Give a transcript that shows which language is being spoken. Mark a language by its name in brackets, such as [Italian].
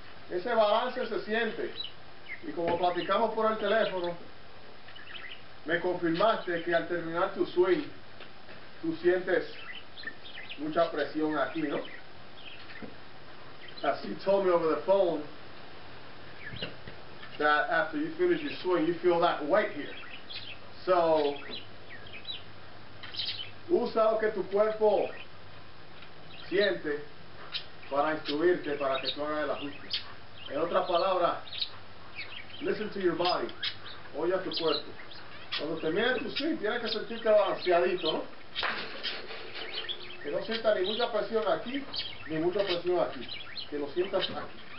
[Spanish] Ese balance se siente, y como platicamos por el teléfono, me confirmaste que al terminar tu swing, tú sientes mucha presión aquí, ¿no? [English] As you told me over the phone, that after you finish your swing, you feel that weight here. [Spanish] So, usa lo que tu cuerpo siente para instruirte para que tú hagas el ajuste. En otras palabras, [English] listen to your body, [Spanish] oye a tu cuerpo. Cuando termines tu swing, tienes que sentirte balanceadito, ¿no? Que no sientas ni mucha presión aquí, ni mucha presión aquí. Que lo sientas aquí.